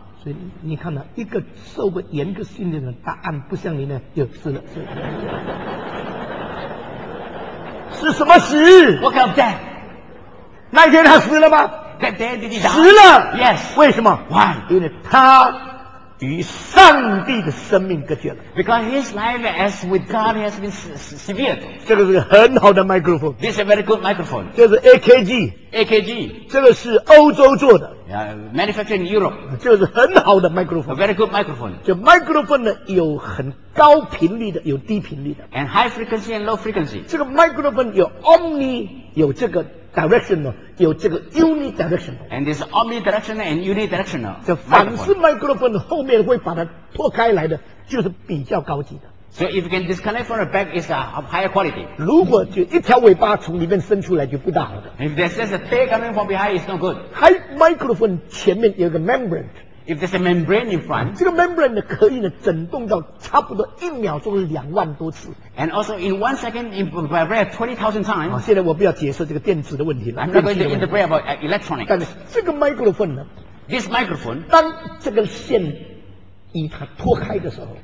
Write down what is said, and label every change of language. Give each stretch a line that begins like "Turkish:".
Chinese: 所以你看到一个受过严格训练的人，答案不像你呢，就死了。是是什么死
English: ？What kind of death？
Chinese: 那天他死了吗
English: ？That day did he die？
Chinese: 死了。
English: Yes。
Chinese: 为什么
English: ？Why？
Chinese: 因为他与上帝的生命隔绝了
English: ，because his life as with God has been severed。
Chinese: 这个是很好的 microphone。
English: This is a very good microphone。
Chinese: 这是 AKG。
English: AKG。
Chinese: 这个是欧洲做的。
English: Manufactured in Europe。
Chinese: 这个是很好的 microphone。
English: A very good microphone。
Chinese: 这 microphone 呢有很高频率的，有低频率的。
English: And high frequency and low frequency。
Chinese: 这个 microphone 有 omni， 有这个。directional 有这个 unidirectional，
English: and this omnidirectional and unidirectional，
Chinese: 这反式麦克风后面会把它拖开来的，就是比较高级的。
English: So if you can disconnect from the back, it's of higher quality。
Chinese: 如果就一条尾巴从里面伸出来，就不大好的。
English: If there's just a tail coming from behind, it's no good。
Chinese: 还麦克风前面有个 membrane。
English: If there's a membrane in front，
Chinese: 这个 membrane 可以呢震动到差不多一秒钟两万多次。
English: And also in one second, in about 20,000 times。
Chinese: 好，现在我不要解释这个电子的问题了。
English: I'm not going to interpret about electronics。
Chinese: 但是这个 microphone 呢
English: ？This microphone，
Chinese: 当这个线与它脱开的时候